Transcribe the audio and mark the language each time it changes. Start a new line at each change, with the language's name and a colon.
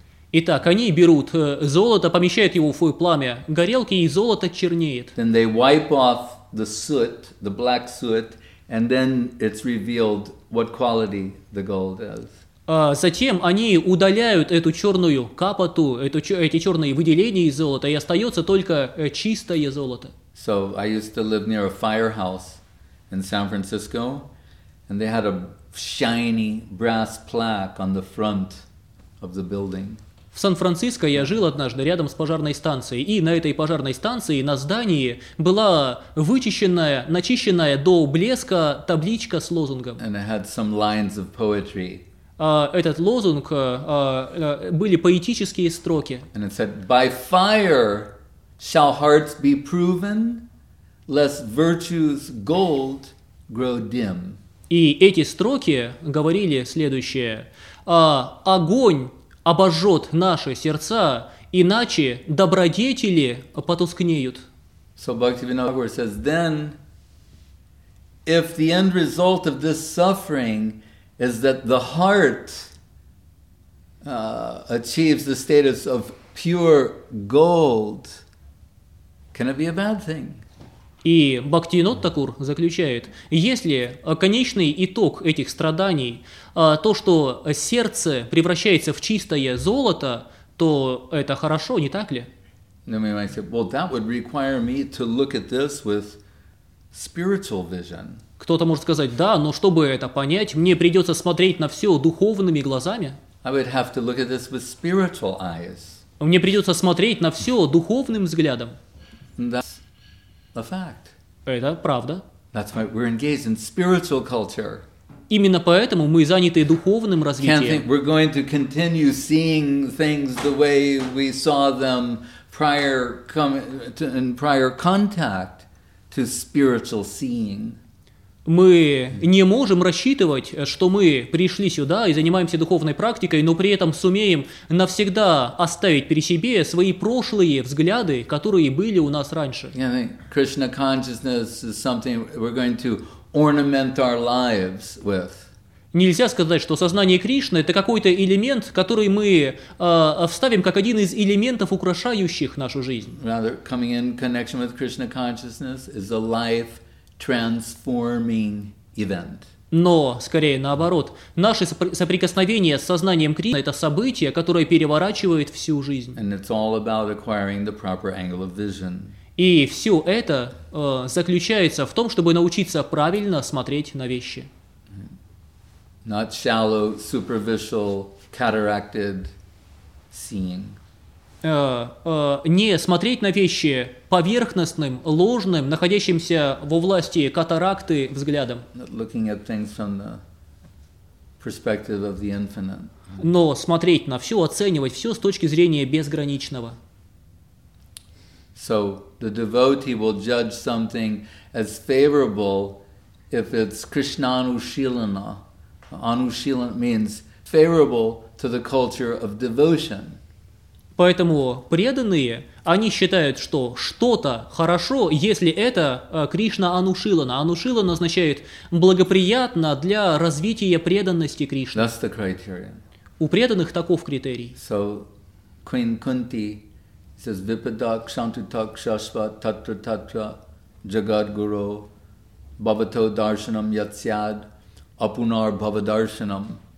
Russian: Итак, они берут золото, помещают его в пламя горелки, и золото чернеет.
English: Then they wipe off the soot, the black soot, and then it's revealed what quality the gold is.
Russian: Затем они удаляют эту черную капоту, эти черные выделения из золота, и остается только чистое золото.
English: So I used to live near a firehouse in San Francisco, and they had a shiny brass plaque on the front of the building.
Russian: В Сан-Франциско я жил однажды рядом с пожарной станцией, и на этой пожарной станции на здании была вычищенная, начищенная до блеска табличка с лозунгом.
English: And it had some lines of poetry.
Russian: Этот лозунг были поэтические строки.
English: And it said, by fire shall hearts be proven, lest virtue's gold grow dim.
Russian: И эти строки говорили следующее: огонь обожжет наши сердца, иначе добродетели потускнеют.
English: So Bhaktivinoda Thakur says, then if the end result of this suffering is that the heart achieves the status of pure gold, can it be a bad thing?
Russian: И Бхактивинода Такур заключает, если конечный итог этих страданий, то, что сердце превращается в чистое золото, то это хорошо, не так ли?
English: Then we might say, well, that would require me to look at this with spiritual vision.
Russian: Кто-то может сказать, да, но чтобы это понять, мне придется смотреть на все духовными глазами.
English: I would have to look at this with spiritual eyes.
Russian: Мне придется смотреть на все духовным взглядом.
English: That's a fact.
Russian: Это правда.
English: That's why we're engaged in spiritual culture.
Russian: Именно поэтому мы заняты духовным развитием.
English: Can't think we're going to continue seeing things the way we saw them in prior contact to spiritual seeing.
Russian: Мы не можем рассчитывать, что мы пришли сюда и занимаемся духовной практикой, но при этом сумеем навсегда оставить при себе свои прошлые взгляды, которые были у нас раньше. Я думаю,
English: Krishna consciousness is something we're going to ornament our lives with.
Russian: Нельзя сказать, что сознание Кришны – это какой-то элемент, который мы вставим как один из элементов, украшающих нашу жизнь.
English: Rather, coming in connection with Krishna consciousness is a life transforming event.
Russian: Но, скорее наоборот, наше соприкосновение с сознанием Кришны – это событие, которое переворачивает всю жизнь.
English: And it's all about acquiring the proper angle of vision.
Russian: И все это заключается в том, чтобы научиться правильно смотреть на вещи.
English: Not shallow, superficial, cataracted seeing.
Russian: не смотреть на вещи поверхностным, ложным, находящимся во власти катаракты взглядом. Но смотреть на все, оценивать все с точки зрения безграничного.
English: So the devotee will judge something as favorable if it's Krishna Anushilana. Anushilana means favorable to the culture of devotion.
Russian: Поэтому преданные, они считают, что что-то хорошо, если это Кришна Анушилана. Анушилана означает благоприятно для развития преданности Кришны.
English: That's the criterion.
Russian: У преданных таков критерий.
English: So Queen Kunti says
Sanskrit: Vipadak Shantutak Shashva Tatra Tatra Jagad Guru Bhavato Darshanam Yatsyad Apunar Bhavadarshanam.